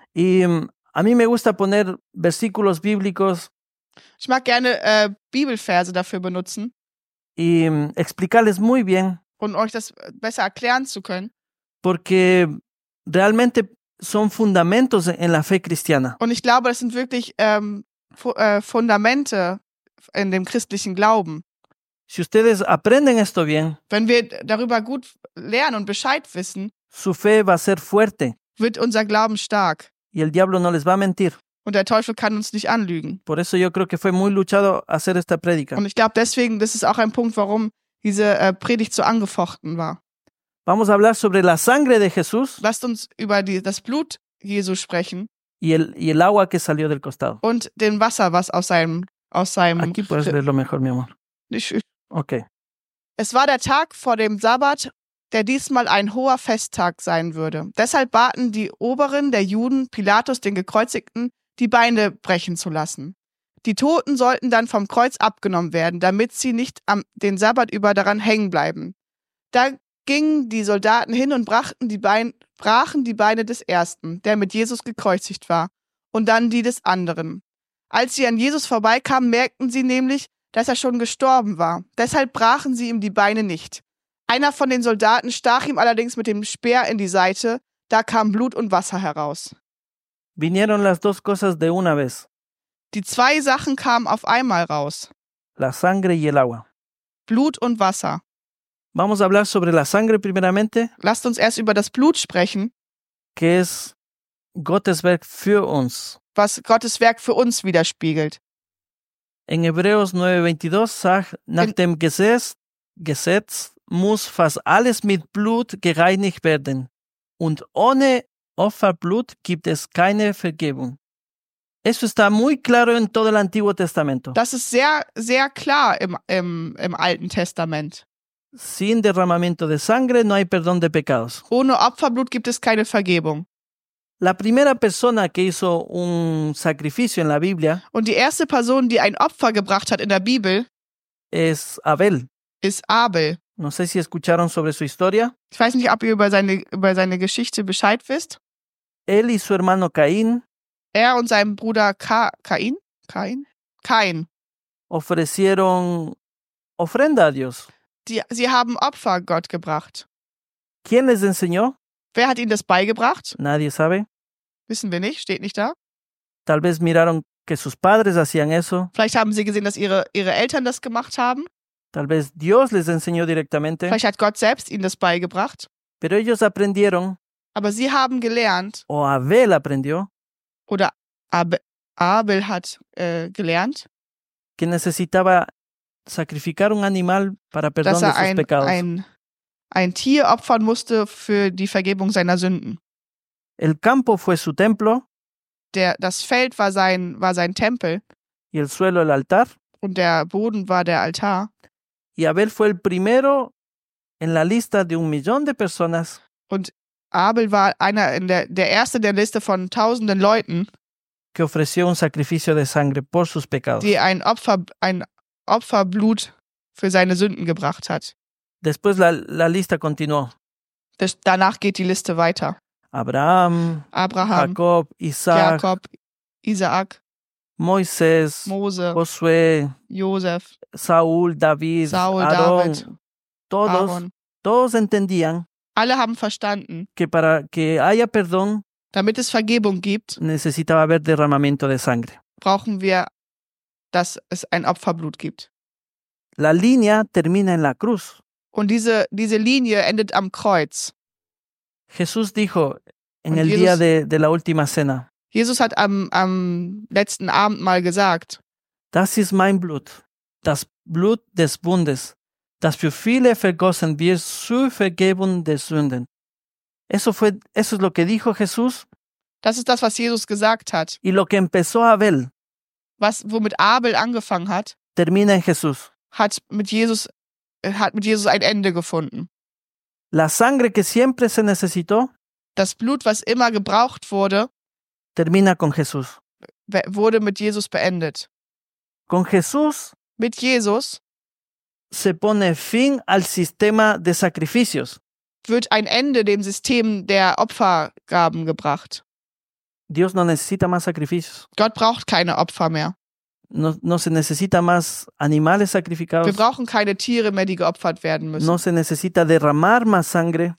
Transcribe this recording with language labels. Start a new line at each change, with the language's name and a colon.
Spanish: Y a mí me gusta poner versículos bíblicos.
German: Ich mag gerne Bibelverse dafür benutzen.
Spanish: Y explicarles muy bien.
German: Und euch das besser erklären zu können.
Spanish: Porque realmente son fundamentos en la fe cristiana.
German: Und ich glaube, das sind wirklich Fundamente in dem christlichen Glauben.
Spanish: Si ustedes aprenden esto bien,
German: wenn wir darüber gut lernen und Bescheid wissen,
Spanish: su fe va a ser fuerte,
German: wird unser Glauben stark.
Spanish: Y el diablo no les va a mentir.
German: Und der Teufel kann uns nicht anlügen.
Spanish: Por eso yo creo que fue muy luchado hacer esta predica.
German: Und ich glaube deswegen, das ist auch ein Punkt, warum diese Predigt so angefochten war.
Spanish: Vamos a hablar sobre la sangre de Jesús.
German: Lasst uns über das Blut Jesu sprechen.
Spanish: Y el agua que salió del costado.
German: Und den Wasser, was aus seinem.
Spanish: Aquí puedes verlo mejor, mi amor.
English: Okay.
German: Es war der Tag vor dem Sabbat, der diesmal ein hoher Festtag sein würde. Deshalb baten die Oberen der Juden, Pilatus den Gekreuzigten, die Beine brechen zu lassen. Die Toten sollten dann vom Kreuz abgenommen werden, damit sie nicht den Sabbat über daran hängen bleiben. Da gingen die Soldaten hin und brachen die Beine des Ersten, der mit Jesus gekreuzigt war, und dann die des Anderen. Als sie an Jesus vorbeikamen, merkten sie nämlich, dass er schon gestorben war. Deshalb brachen sie ihm die Beine nicht. Einer von den Soldaten stach ihm allerdings mit dem Speer in die Seite, da kam Blut und Wasser heraus.
Spanish: Vinieron las dos cosas de una vez.
German: Die zwei Sachen kamen auf einmal raus.
Spanish: La sangre y el agua.
German: Blut und Wasser.
Spanish: Vamos a hablar sobre la sangre primeramente.
German: Lasst uns erst über das Blut sprechen.
Spanish: Que es
German: Gottes Werk für uns. Was Gottes Werk für uns widerspiegelt. In Hebräus 9,22 sagt, nach dem Gesetz muss fast alles mit Blut gereinigt werden. Und ohne Opferblut gibt es keine Vergebung.
Spanish: Eso está muy claro en todo el Antiguo Testamento.
German: Das ist sehr, sehr klar im Alten Testament.
Spanish: Sin derramamiento de sangre no hay perdón de pecados.
German: Ohne Opferblut gibt es keine Vergebung.
Spanish: La primera persona que hizo un sacrificio en la Biblia.
German: Und die erste Person, die ein Opfer gebracht hat in der Bibel.
Spanish: Es Abel.
German: Ist Abel.
Spanish: No sé si escucharon sobre su historia.
German: Ich weiß nicht, ob ihr über seine Geschichte Bescheid wisst.
Spanish: Él y su hermano Caín.
German: Er und sein Bruder Caín. Caín. Caín.
Spanish: Ofrecieron ofrenda a Dios.
German: Sie haben Opfer Gott gebracht.
Spanish: ¿Quién les enseñó?
German: Wer hat ihnen das beigebracht?
Spanish: Nadie sabe.
German: Wissen wir nicht, steht nicht da.
Spanish: Tal vez miraron que sus padres hacían eso.
German: Vielleicht haben sie gesehen, dass ihre Eltern das gemacht haben.
Spanish: Tal vez Dios les enseñó directamente.
German: Vielleicht hat Gott selbst ihnen das beigebracht.
Spanish: Pero ellos aprendieron.
German: Aber sie haben gelernt.
Spanish: O Abel aprendió.
German: Oder Abel hat gelernt.
Spanish: Que necesitaba sacrificar un animal para perdón de sus pecados.
German: Ein Tier opfern musste für die Vergebung seiner Sünden.
Spanish: El campo fue su templo.
German: Das Feld war sein Tempel.
Spanish: Y el suelo el altar.
German: Und der Boden war der Altar.
Spanish: Y Abel fue el primero en la lista de 1 millón de personas.
German: Und Abel war einer in der erste der Liste von tausenden Leuten.
Spanish: Que ofreció un sacrificio de sangre por sus pecados.
German: Die ein Opferblut für seine Sünden gebracht hat.
Spanish: Después la lista continuó.
German: Danach geht die Liste weiter.
Spanish: Abraham, Jacob, Isaac, Moses, Josué, Josef, Saul, David, Aaron, todos entendían.
German: Alle haben verstanden,
Spanish: que para que haya perdón,
German: damit es Vergebung gibt,
Spanish: necesitaba haber derramamiento de sangre.
German: Brauchen wir, dass es ein Opferblut gibt.
Spanish: La línea termina en la cruz.
German: Und diese Linie endet am Kreuz.
Spanish: Jesús dijo en el día de la última cena.
German: Jesus hat am letzten Abend mal gesagt. Das ist mein Blut, das Blut des Bundes, das für viele vergossen wird zur Vergebung der Sünden.
Spanish: Eso es lo que dijo Jesús.
German: Das ist das, was Jesus gesagt hat.
Spanish: Y lo que empezó Abel.
German: Womit Abel angefangen hat.
Spanish: Termina en Jesús.
German: Hat mit Jesus ein Ende gefunden.
Spanish: La sangre que siempre se necesitó.
German: Das Blut, was immer gebraucht wurde.
Spanish: Termina con Jesús.
German: Wurde mit Jesus beendet.
Spanish: Con Jesús.
German: Mit Jesus.
Spanish: Se pone fin al sistema de sacrificios.
German: Wird ein Ende dem System der Opfergaben gebracht.
Spanish: Dios no necesita más sacrificios.
German: Gott braucht keine Opfer mehr.
Spanish: No se necesita más animales sacrificados.
German: Wir brauchen keine Tiere mehr, die geopfert werden müssen.
Spanish: No se necesita derramar más sangre.